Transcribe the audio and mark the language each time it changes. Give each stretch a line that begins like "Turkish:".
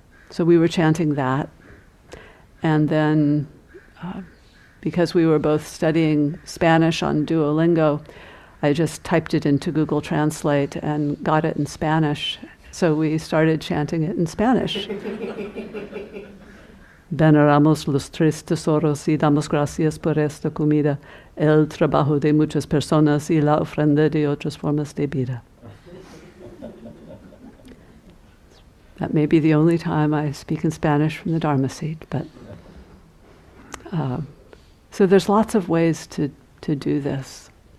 English: So we were chanting that. And then, because we were both studying Spanish on Duolingo, I just typed it into Google Translate and got it in Spanish. So we started chanting it in Spanish.
Spanish: Veneramos los tres tesoros y damos gracias por esta comida, el trabajo de muchas personas y la ofrenda de otras formas de vida.
English: That may be the only time I speak in Spanish from the Dharma Seed, but... So there's lots of ways to do this.